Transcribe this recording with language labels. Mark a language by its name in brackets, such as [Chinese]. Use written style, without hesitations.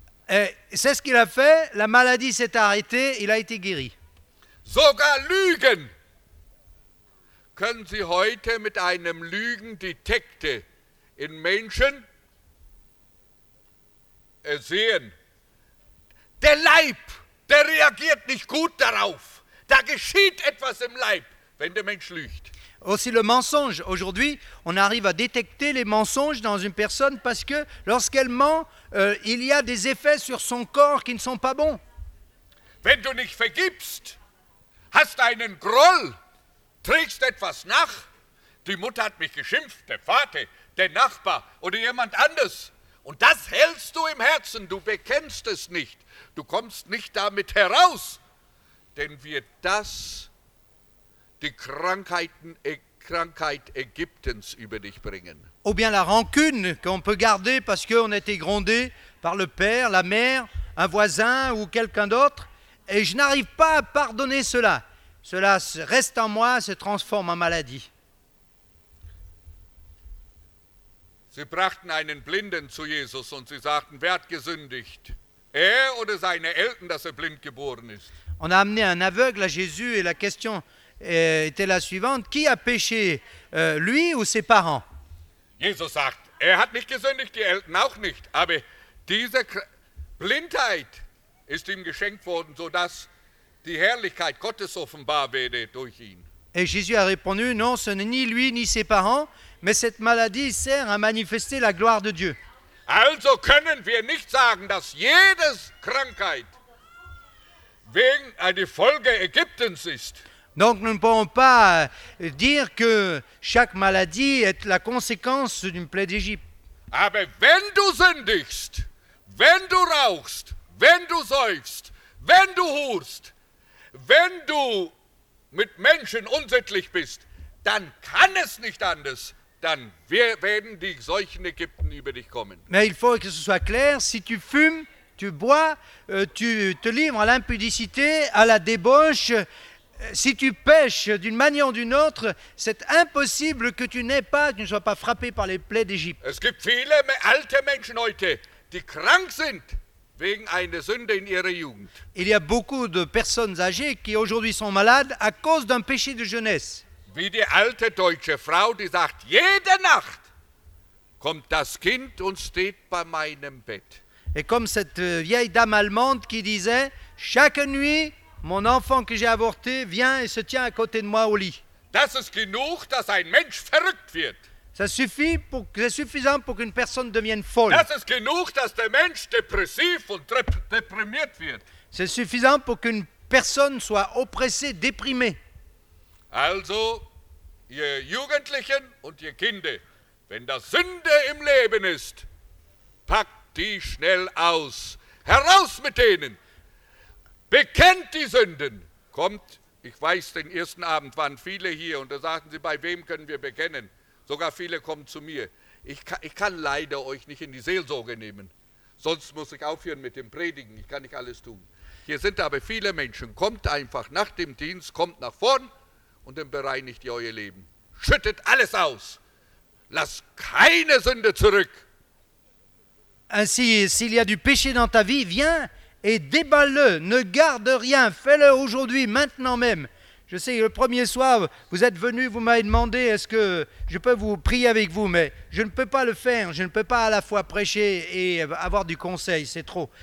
[French] Et c'est ce qu'il a fait, la maladie s'est arrêtée, il a été guéri. [German] Sogar Lügen können Sie heute mit einem Lügendetektor in Menschen sehen. Der Leib, der reagiert nicht gut darauf. Da geschieht etwas im Leib, wenn der Mensch lügt. [French] Aussi le mensonge. Aujourd'hui, on arrive à détecter les mensonges dans une personne parce que lorsqu'elle ment, il y a des effets sur son corps qui ne sont pas bons. [German] Wenn du nicht vergibst, hast einen Groll, trägst etwas nach. Die Mutter hat mich geschimpft, der Vater, der Nachbar oder jemand anders. Und das hältst du im Herzen, du bekennst es nicht. Du kommst nicht damit heraus, denn wir das... Die Krankheiten et Krankheit Ägyptens über dich bringen. [French] Ou bien la rancune qu'on peut garder parce qu'on a été grondé par le père, la mère, un voisin ou quelqu'un d'autre, et je n'arrive pas à pardonner cela. Cela reste en moi, se transforme en maladie. [German] Sie brachten einen Blinden zu Jesus und sie sagten, wer hat gesündigt? Er oder seine Eltern, dass er blind geboren ist? [French] On a amené un aveugle à Jésus et la question était la suivante, qui a péché, lui ou ses parents? [German] Jesus sagt, er hat nicht gesündigt, die Eltern auch nicht, aber diese Blindheit ist ihm geschenkt worden, sodass die Herrlichkeit Gottes offenbar werde durch ihn. [French] Et Jésus a répondu, non, ce n'est ni lui ni ses parents, mais cette maladie sert à manifester la gloire de Dieu. [German] Also können wir nicht sagen, dass jede Krankheit wegen eine Folge Ägyptens ist. [French] Donc nous ne pouvons pas dire que chaque maladie est la conséquence d'une plaie d'Égypte. [German] Aber wenn du sündigst, wenn du rauchst, wenn du säufst, wenn du hurst, wenn du mit Menschen unsittlich bist, dann kann es nicht anders, dann werden die Seuchen Ägypten über dich kommen. [French] Mais il faut que ce soit clair, si tu fumes, tu bois, tu te livres à l'impudicité, à la débauche, si tu pêches d'une manière ou d'une autre, c'est impossible que tu n'aies pas, que tu ne sois pas frappé par les plaies d'Égypte. [German] Es gibt viele alte Menschen heute, die krank sind wegen einer Sünde in ihrer Jugend. [French] Il y a beaucoup de personnes âgées qui aujourd'hui sont malades à cause d'un péché de jeunesse. [German] Wie die alte deutsche Frau, die sagt, jede Nacht kommt das Kind und steht bei meinem Bett. [French] Et comme cette vieille dame allemande qui disait, chaque nuit, mon enfant que j'ai avorté vient et se tient à côté de moi au lit. [German] Das ist genug, dass ein Mensch verrückt wird. [French] Ça suffit pour que, c'est suffisant pour qu'une personne devienne folle. [German] Das ist genug, dass der Mensch depressiv und deprimiert wird. [French] C'est suffisant pour qu'une personne soit oppressée, déprimée. [German] Also, ihr Jugendlichen und ihr Kinder, wenn das Sünde im Leben ist, packt die schnell aus. Heraus mit denen! Bekennt die Sünden. Kommt, ich weiß, den ersten Abend waren viele hier und da sagten sie, bei wem können wir bekennen? Sogar viele kommen zu mir. Ich kann leider euch nicht in die Seelsorge nehmen. Sonst muss ich aufhören mit dem Predigen. Ich kann nicht alles tun. Hier sind aber viele Menschen. Kommt einfach nach dem Dienst, kommt nach vorn und dann bereinigt ihr euer Leben. Schüttet alles aus. Lasst keine Sünde zurück. [French] Ainsi, s'il y a du péché dans ta vie, viens. Et déballe-le, ne garde rien, fais-le aujourd'hui, maintenant même. Je sais, le premier soir, vous êtes venu, vous m'avez demandé, est-ce que je peux vous prier avec vous, mais je ne peux pas le faire, je ne peux pas à la fois prêcher et avoir du conseil, c'est trop.